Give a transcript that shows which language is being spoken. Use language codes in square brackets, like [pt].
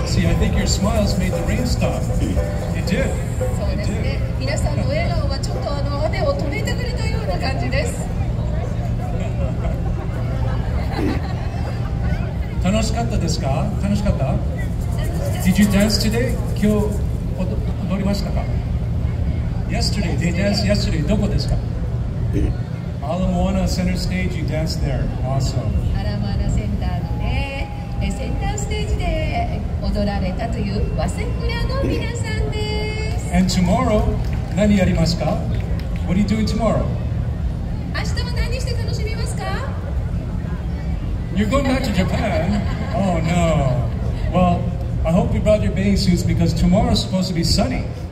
[en] See, I think your smiles made the rain stop. It did. [ja] そうですね。皆さんの笑顔はちょっとあの雨を止めてくれたような感じです。楽しかったですか？楽しかった？ [en] Did you dance today? [ja] 今日踊りましたか？ [en] Yesterday, they danced yesterday. [ja] どこですか？ [en] Ala Moana Center Stage, you danced there. Awesome. [ja] Ala Moana Center のね、センターステージで踊られたというワセクラの皆さんです。 [en] And tomorrow, [ja] 何やりますか？ [en] What are you doing tomorrow? [ja] 明日は何して楽しみますか？ [en] You're going back to Japan? Oh no. Well, I hope you brought your bathing suits because tomorrow is supposed to be sunny.